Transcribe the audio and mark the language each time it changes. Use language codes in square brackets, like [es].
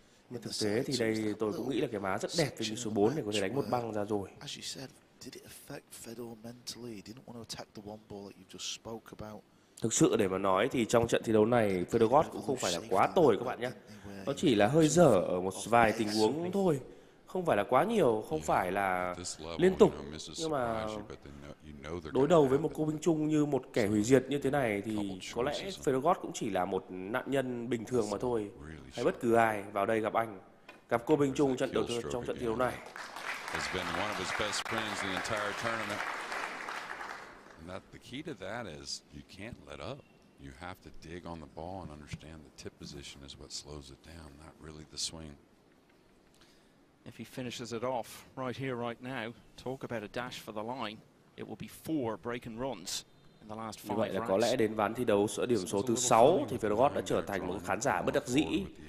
[vi] Nhưng thực tế thì đây tôi cũng nghĩ là cái má rất đẹp với số 4 này, có thể đánh một băng ra rồi. [en] Did it affect Fedor mentally? He didn't want to attack the one ball that you just spoke about. [vi] Thực sự để mà nói thì trong trận thi đấu này Fedorov cũng không phải là quá tồi các bạn nhé. Nó chỉ là hơi dở ở một vài tình huống thôi, không phải là quá nhiều, không phải là liên tục. Nhưng mà đối đầu với một Cô Minh Trung như một kẻ hủy diệt như thế này thì có lẽ Fedorov cũng chỉ là một nạn nhân bình thường mà thôi. Hay bất cứ ai vào đây gặp anh, gặp Cô Minh Trung trận đầu tiên trong trận thi đấu này. [en] Has been one of his best friends the entire tournament. And that the key to that is you can't let up. You have to dig on the ball and understand the tip position is what slows it down, not really the swing. If he finishes it off right here, right now, talk about a dash for the line. It will be four break and runs in the last five. [vi] Như vậy là có lẽ đến ván thi đấu sửa điểm số thứ 6 thì Fedorov đã trở thành một khán giả bất đắc dĩ.